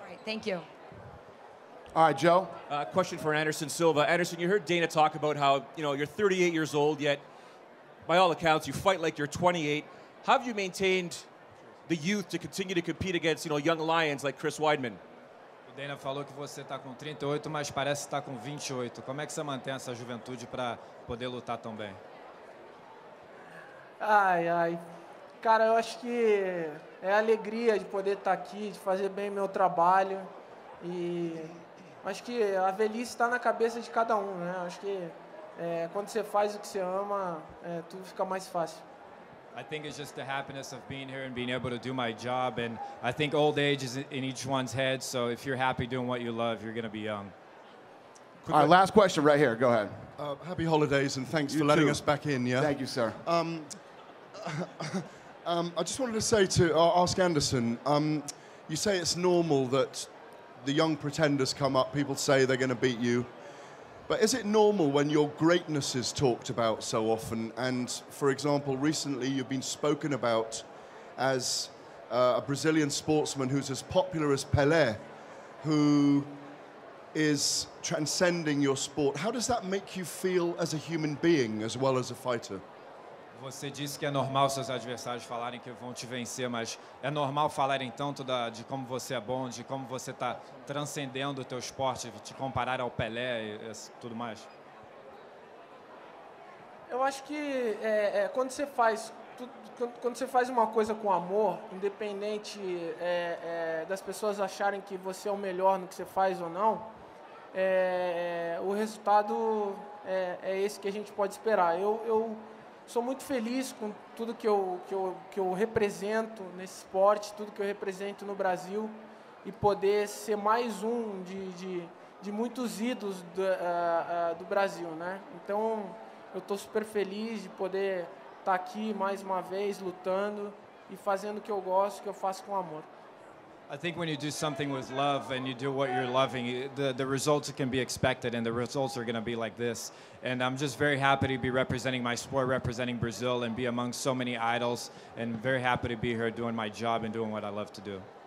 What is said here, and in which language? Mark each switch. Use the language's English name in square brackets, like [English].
[English] Thank you. All right, Joe. Question for Anderson Silva. Anderson, you heard Dana talk about how, you know, you're 38 years old, yet by all accounts, you fight like you're 28. How have you maintained the youth to continue to compete against, you know, young lions like Chris Weidman? [Portuguese] Dana falou que você está com 38, mas parece estar com 28. Como é que você mantém essa juventude para poder lutar tão bem? Ai, ai. Cara, eu acho que é alegria de poder estar aqui, de fazer bem meu trabalho. E acho que a velhice está na cabeça de cada um, né? Acho que quando você faz o que você ama, tudo fica mais fácil. [English] I think it's just the happiness of being here and being able to do my job. And I think old age is in each one's head. So if you're happy doing what you love, you're going to be young. All right, last question right here. Go ahead. Happy holidays, and thanks for letting us back in. Yeah. Thank you, sir. I just wanted to say to ask Anderson, you say it's normal that the young pretenders come up, people say they're going to beat you. But is it normal when your greatness is talked about so often? And, for example, recently you've been spoken about as a Brazilian sportsman who's as popular as Pelé, who is transcending your sport. How does that make you feel as a human being as well as a fighter? [Portuguese] Você disse que é normal seus adversários falarem que vão te vencer, mas é normal falarem tanto de como você é bom, de como você está transcendendo o teu esporte, te comparar ao Pelé e tudo mais? Eu acho que quando você faz quando você faz uma coisa com amor, independente das pessoas acharem que você é o melhor no que você faz ou não, o resultado é esse que a gente pode esperar. Eu sou muito feliz com tudo que eu represento nesse esporte, tudo que eu represento no Brasil, e poder ser mais um de muitos ídolos do Brasil, né? Então, eu estou super feliz de poder estar aqui mais uma vez lutando e fazendo o que eu gosto, que eu faço com amor. [English] I think when you do something with love and you do what you're loving, the results can be expected, and the results are going to be like this. And I'm just very happy to be representing my sport, representing Brazil, and be among so many idols, and very happy to be here doing my job and doing what I love to do.